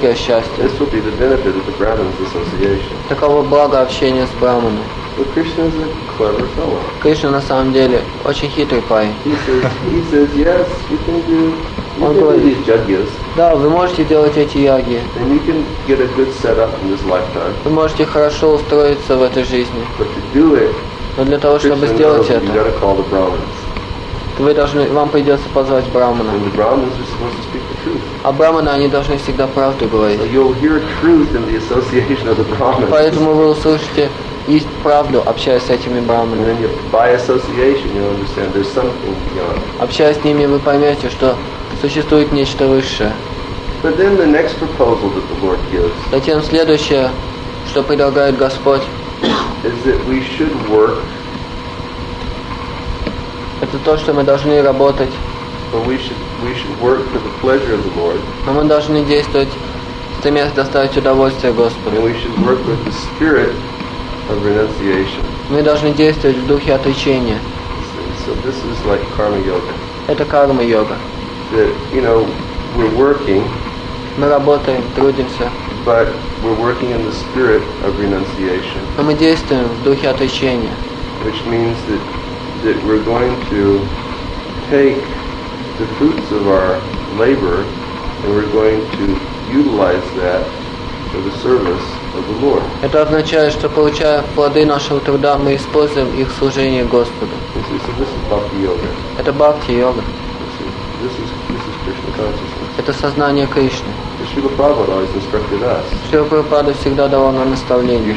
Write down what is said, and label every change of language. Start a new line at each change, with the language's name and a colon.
English: So this will be the benefit of the Brahmins association.
Russian: Таково благо общения с Брахманом.
English: But Krishna is a clever fellow.
Russian: Кришна на самом деле очень хитрый парень.
English: He says, yes, you can do these jagyas.
Russian: Да, вы можете делать эти яги.
English: And you can get a good setup in this lifetime.
Russian: Вы можете хорошо устроиться в этой жизни.
English: But to do it,
Russian: но для того, чтобы сделать это,
English: you gotta call the Brahmins.
Russian: Вам придется позвать Брахмана.
English: And the Brahmins are supposed to speak the truth.
Russian: А Брахманы, они должны всегда правду говорить.
English: So you'll hear truth in the association of the Brahmins.
Russian: Поэтому вы услышите есть правду, общаясь с этими Брахманами.
English: And then by association, you'll understand there's something beyond.
Russian: Общаясь с ними, вы поймете, что существует нечто высшее.
English: But then the next proposal that the Lord gives.
Russian: Затем следующее, что предлагает Господь.
English: Is that we should work.
Russian: Это то, что мы должны работать.
English: But we should work for the pleasure of the Lord.
Russian: Но мы должны действовать, стремясь доставить удовольствие Господу.
English: And we should work with the spirit of renunciation.
Russian: Мы должны действовать в духе отречения.
English: So this is like karma yoga.
Russian: Это карма-йога.
English: That, you know, we're working.
Russian: Мы работаем, трудимся.
English: But we're working in the spirit of renunciation.
Russian: Но мы действуем в духе отречения.
English: Which means that we're going to take the fruits of our labor and we're going to utilize that for the service of the Lord.
Russian: Это означает, что получая плоды нашего труда, мы используем их в служении Господу.
English: This is bhakti yoga.
Russian: Это бхакти йога.
English: This is Krishna consciousness.
Russian: Это сознание Кришны.
English: Шрила Прабхупада always instructed us.
Russian: Шрила Прабхупада всегда давал нам наставление.